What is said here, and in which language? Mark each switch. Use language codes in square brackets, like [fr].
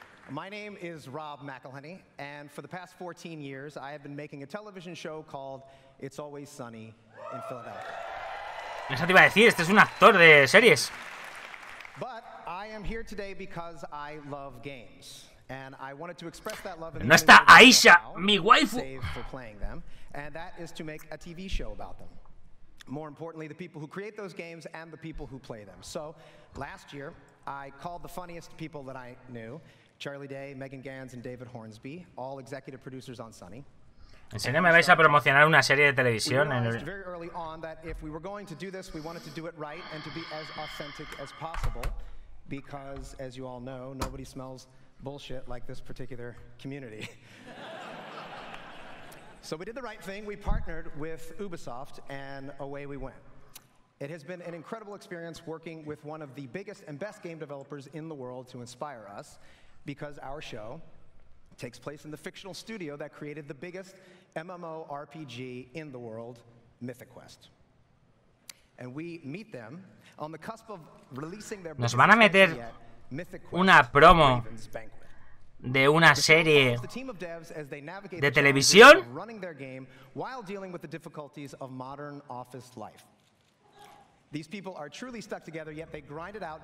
[en] My name is Rob McElhenney, and for the past 14 years, I have been making a television show called It's Always Sunny in Philadelphia. [es] Eso te iba a decir, este es un actor de series. [en] But I am here today because I love games, and I wanted to express that love. [es] No está Aisha, mi waifu. [en] For playing them, and that is to make a TV show about them. More importantly, the people who create those games and the people who play them. So, last year, I called the funniest people that I knew. Charlie Day, Megan Gans, and David Hornsby, all executive producers on Sunny. [es] ¿En serio me vais a promocionar una serie de televisión? [en] Very early on that if we were going to do this, we wanted to do it right and to be as authentic as possible, because as you all know, nobody smells bullshit like this particular community. So we did the right thing. We partnered with Ubisoft, and away we went. It has been an incredible experience working with one of the biggest and best game developers in the world to inspire us. Because our show takes place in the fictional studio that created the biggest MMORPG in the world, Mythic Quest. And we meet them on the cusp of releasing their... [es] Nos van a meter una promo de una serie de televisión [en] running their game while dealing with the difficulties of modern office life. These people are truly stuck together, yet they grind it out.